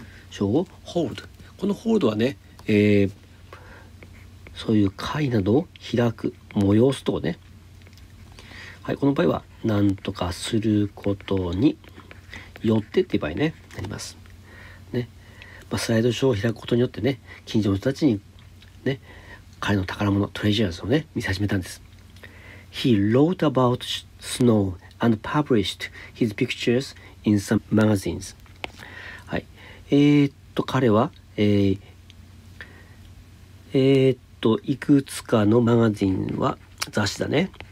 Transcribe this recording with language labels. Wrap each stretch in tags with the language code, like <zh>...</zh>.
<ja>ショーをホールド、このホールドはね、そういう会などを開く、催すとね、はい、この場合は何とかすることによってっていう場合ね、なりますね。まあ、スライドショーを開くことによってね、近所の人たちにね、彼の宝物、トレジャーズをね、見せ始めたんです。</ja> <en>He wrote about snow and published his pictures in some magazines.</en> <ja>はい。彼は、いくつかのマガジンは雑誌だね。</ja>